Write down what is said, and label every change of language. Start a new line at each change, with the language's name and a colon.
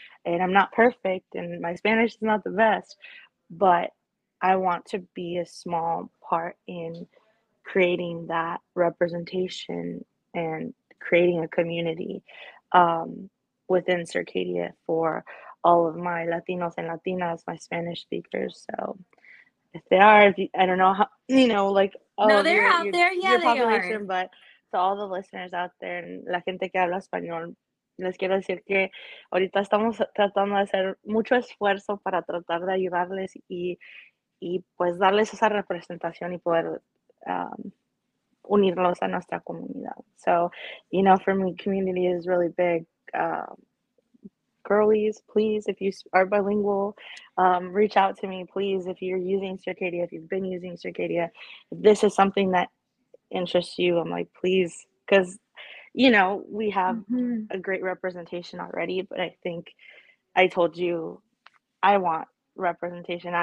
English: And I'm not perfect, and my Spanish is not the best, but I want to be a small part in creating that representation and creating a community within Circadia for all of my Latinos and Latinas, my Spanish speakers. So if they are, I don't know how, you know, like, oh, no, they're out there. Yeah, they are. But to all the listeners out there and
Spanish: la gente que habla español, les quiero decir que ahorita estamos tratando de hacer mucho esfuerzo para tratar de ayudarles y pues darles esa representación y poder unirlos a nuestra comunidad.
English: So, you know, for me, community is really big. Girlies, please, if you are bilingual, reach out to me, please. If you're using Circadia, if you've been using Circadia, if this is something that interests you, I'm like, please, because, you know, we have a great representation already, but I think I told you I want representation.